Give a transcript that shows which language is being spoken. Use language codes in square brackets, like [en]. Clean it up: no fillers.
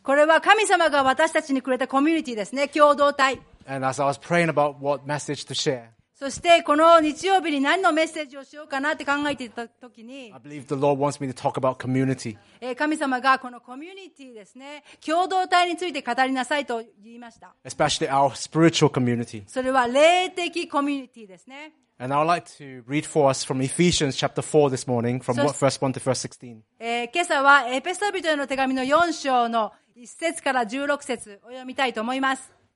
[ja] これは神様が私たちにくれたコミュニティですね、共同体。 [en] And as I was praying about what message to share, [ja] そしてこの日曜日に何のメッセージをしようかなって考えていた時に、 [en] I believe the Lord wants me to talk about community. [ja] 神様がこのコミュニティですね、共同体について語りなさいと言いました。 [en] Especially our spiritual community. [ja] それは霊的コミュニティですね。 [en] And I would like to read for us from Ephesians chapter 4 this morning, from verse 1 to verse 16. [ja] 今朝はエペソ人への手紙の4章の1節から16節を読みたいと思います。